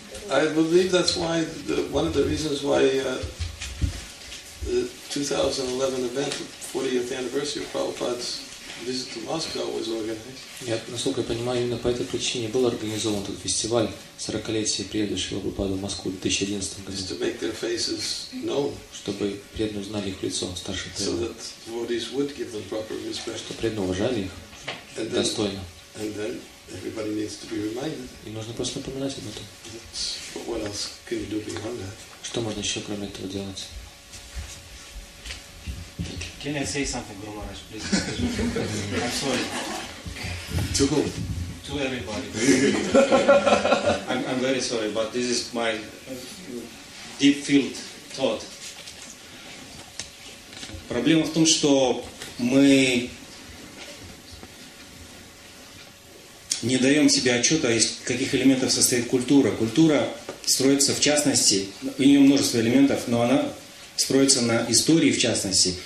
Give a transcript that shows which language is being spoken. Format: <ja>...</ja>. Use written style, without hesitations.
<en>I believe that's why one of the reasons why the 2011 event, 40th anniversary of Prabhupada's visit to Moscow, was organized.</en> <ru>Я, насколько я понимаю, именно по этой причине был организован этот фестиваль 40-летия приезда Прабхупады в Москву в 2011 году.</ru> <en>To make their faces known.</en> <ru>Чтобы преданные знали их лицо, старших преданных.</ru> <en>So that devotees would give them proper respect.</en> <ru>Чтобы преданные уважали их достойно.</ru> <en>And then everybody needs to be reminded.</en> <ru>И нужно просто напоминать об этом.</ru> <en>But what else can you do beyond that?</en> <ru>Что можно еще кроме этого делать?</ru> <en>Can I say something, Guru Maharaj, please? I'm sorry. To whom? To everybody. I'm very sorry, but this is my deep-field thought.</en> <ru>Проблема в том, что мы не даем себе отчета, из каких элементов состоит культура. Культура строится в частности, у нее множество элементов, но она строится на истории, в частности.</ru>